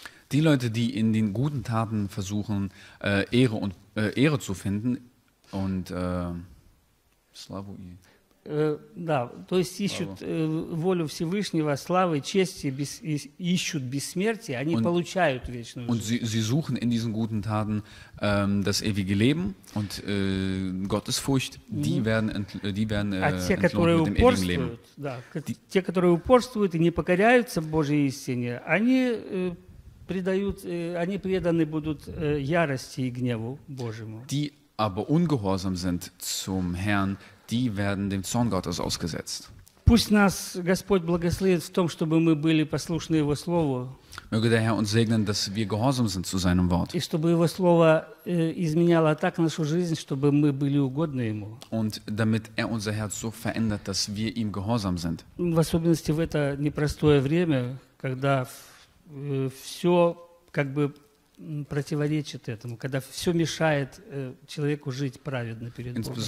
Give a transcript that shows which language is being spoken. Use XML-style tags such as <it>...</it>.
<de>Die Leute, die in den guten Taten versuchen, Ehre zu finden und</de> <ru>славу и... Да, то есть ищут волю Всевышнего, славы, чести, ищут бессмертие, они получают вечную жизнь.</ru> <de>Und sie suchen in diesen guten Taten das ewige Leben und Gottesfurcht, die werden entlohnt mit dem ewigen Leben.</de> <ru>Да, те, которые упорствуют и не покоряются Божьей истине, они преданы будут ярости и гневу Божьему.</ru> <de>Die aber ungehorsam sind zum Herrn, die werden dem Zorn Gottes ausgesetzt.</de> <ru>Пусть нас Господь благословит в том, чтобы мы были послушны Его Слову.</ru> <de>Möge der Herr uns segnen, dass wir gehorsam sind zu seinem Wort.</de> <ru>И чтобы Его Слово изменяло так нашу жизнь, чтобы мы были угодны Ему.</ru> <de>Und damit er unser Herz so verändert, dass wir ihm gehorsam sind.</de> <ru>В особенности в это непростое время, когда все как бы противоречит этому, когда все мешает человеку жить праведно перед Богом.</ru>